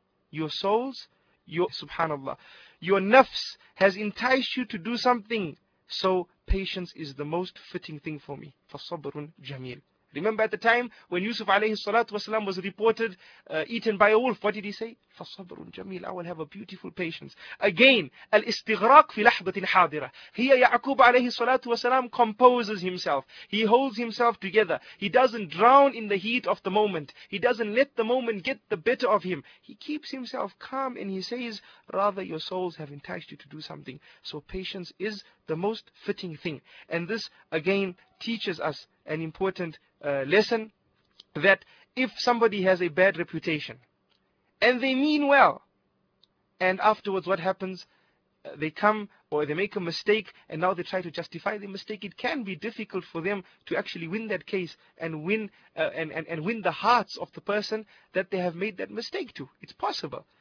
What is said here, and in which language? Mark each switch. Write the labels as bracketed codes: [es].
[en] Your souls, subhanAllah, your nafs has enticed you to do something. So patience is the most fitting thing for me. [ar] فَصَبْرٌ جَمِيلٌ. [en] Remember at the time when Yusuf alayhi salatu wasalam was reported eaten by a wolf, what did he say? [ar] فَصَبْرٌ جَمِيلٌ, [en] I will have a beautiful patience. Again, [ar] الْإِسْتِغْرَاقْ فِي لَحْظَةٍ حَاضِرَةٍ. [en] Here Ya'qub alayhi salatu wasalam composes himself. He holds himself together. He doesn't drown in the heat of the moment. He doesn't let the moment get the better of him. He keeps himself calm and he says, rather your souls have enticed you to do something. So patience is the most fitting thing. And this again teaches us an important lesson, that if somebody has a bad reputation and they mean well, and afterwards what happens, they come or they make a mistake and now they try to justify the mistake, it can be difficult for them to actually win that case and win the hearts of the person that they have made that mistake to. It's possible.